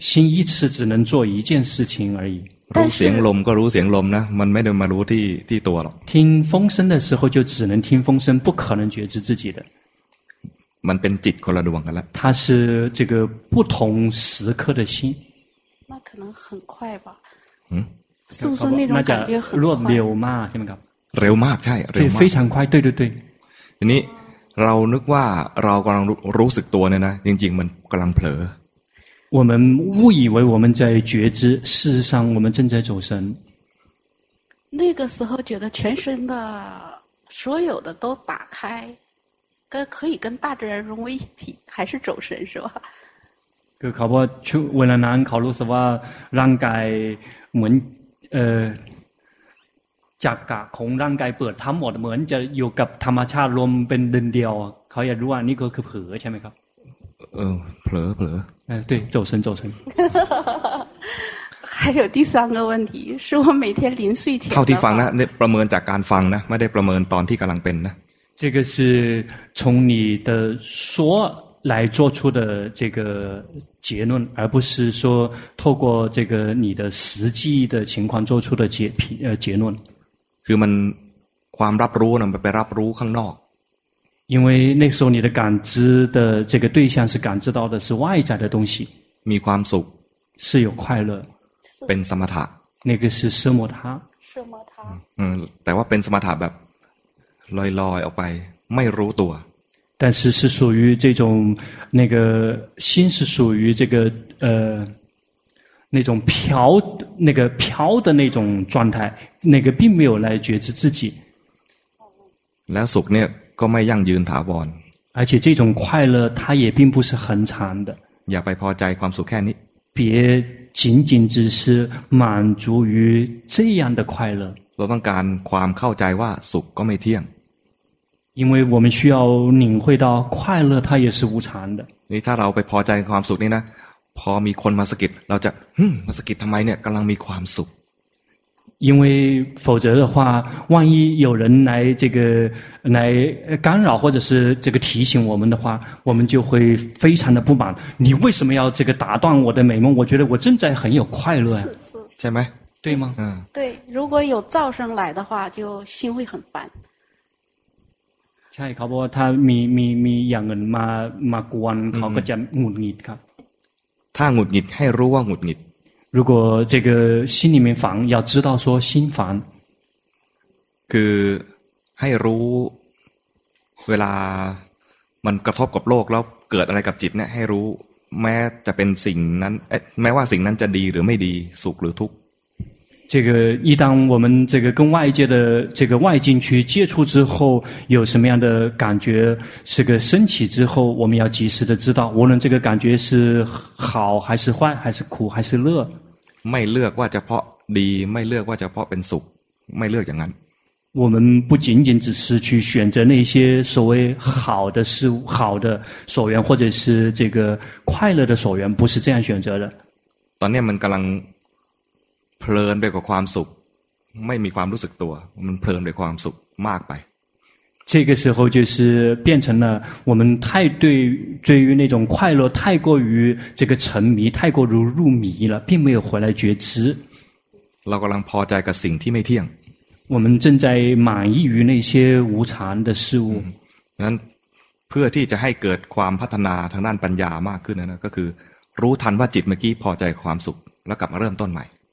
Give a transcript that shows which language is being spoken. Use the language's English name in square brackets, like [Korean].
[Chinese] 心一次只能做一件事情而已。 [Thai] รู้เสียงลมก็รู้เสียงลมนะมันไม่ได้มารู้ที่ตัวหรอก [Chinese] 听风声的时候就只能听风声不可能觉知自己的 [Thai] มันเป็นจิตคนละดวงกันละ [Chinese] 它是这个不同时刻的心那可能很快吧嗯是不是那种感觉很快 [Thai] รวดเร็วมากใช่ไหมครับ เร็วมากใช่เร็วมาก [Chinese] 对非常快对对对 [Thai] ทีนี้เรานึกว่าเรากำลังรู้สึกตัวเนี่ยนะจริงๆมันกำลังเผลอ [Chinese] 我们误以为我们在觉知，事实上我们正在走神。那个时候觉得全身的所有的都打开，跟可以跟大自然融为一体，还是走神是吧？ 그考보추원래난考로서와란가이문자가공란가이버탐모드먼저요갑타마차롬벤딘디오카야루아니거그퍼어차메카 [Thai] เผลอเผลอ [Chinese] เออ对走神走神还有第三个问题是我每天临睡前 [Thai] เท่าที่ฟังนะประเมินจากการฟังนะไม่ได้ประเมินตอนที่กำลังเป็นนะ [Chinese] 这个是从你的说来做出的这个结论而不是说透过这个你的实际的情况做出的结论 [Thai] คือมันความรับรู้นะไปรับรู้ข้างนอก [Chinese] 因为那时候你的感知的这个对象是感知到的是外在的东西 [Thai] มีความสุข [Chinese] 是有快乐 [Thai] เป็นสมถะ [Chinese] 那个是奢摩他奢摩他 [Thai] 嗯แต่ว่าเป็นสมถะแบบลอยๆออกไปไม่รู้ตัว [Chinese] 但是是属于这种那个心是属于这个那种飘那个飘的那种状态那个并没有来觉知自己 [Thai] แล้วสุขเนี่ยก็ไม่ยั่งยืนถาวร [Chinese] 而且这种快乐它也并不是恒常的 [Thai] อย่าไปพอใจความสุขแค่นี้ [Chinese] 别仅仅只是满足于这样的快乐 [Thai] เราต้องการความเข้าใจว่าสุขก็ไม่เที่ยง [Chinese] 因为我们需要领会到快乐它也是无常的 [Thai] นี่ถ้าเราไปพอใจความสุขนี่นะพอมีคนมาสะกิดเราจะมาสะกิดทำไมเนี่ยกำลังมีความสุข [Chinese] 因为否则的话万一有人来这个来干扰或者是这个提醒我们的话我们就会非常的不满你为什么要这个打断我的美梦我觉得我正在很有快乐是吗对吗嗯对如果有噪声来的话就心会很烦 [Thai] ใช่ครับเพราะว่าถ้ามีอย่างอื่นมากวนเขาก็จะหงุดหงิดครับ ถ้าหงุดหงิดให้รู้ว่าหงุดหงิด [Chinese] 如果这个心里面烦，要知道说心烦。 [Thai] คือให้รู้เวลามันกระทบกับโลกแล้วเกิดอะไรกับจิตเนี่ยให้รู้แม้จะเป็นสิ่งนั้นแม้ว่าสิ่งนั้นจะดีหรือไม่ดีสุขหรือทุกข์ [Chinese] 这个一旦我们这个跟外界的这个外境去接触之后，有什么样的感觉这个升起之后，我们要及时的知道，无论这个感觉是好还是坏，还是苦还是乐。 [Thai] ไม่เลือกว่าจะเพาะดีไม่เลือกว่าจะเพาะเป็นสุขไม่เลือกอย่างนั้น [Chinese] 我们不仅仅只是去选择那些所谓好的事物好的所缘或者是这个快乐的所缘不是这样选择的 [Thai] ตอนนี้มันกำลังเพลินไปกับความสุขไม่มีความรู้สึกตัวมันเพลินไปความสุขมากไป [Chinese] 这个时候就是变成了我们太对于那种快乐太过于这个沉迷太过于入迷了并没有回来觉知 [Thai] เรากำลังพอใจกับสิ่งที่ไม่เที่ยง [Chinese] 我们正在满意于那些无常的事物 [Thai] นั้นเพื่อที่จะให้เกิดความพัฒนาทางด้านปัญญามากขึ้นนะก็คือรู้ทันว่าจิตเมื่อกี้พอใจความสุขแล้วกลับมาเริ่มต้นใหม่